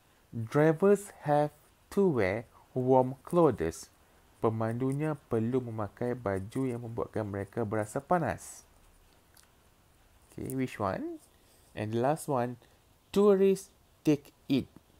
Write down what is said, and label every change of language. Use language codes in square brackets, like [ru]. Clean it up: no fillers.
[en] Drivers have to wear warm clothes. [ms] Pemandunya perlu memakai baju yang membuatkan mereka berasa panas. [en] Okay, which one? And the last one, tourists take it.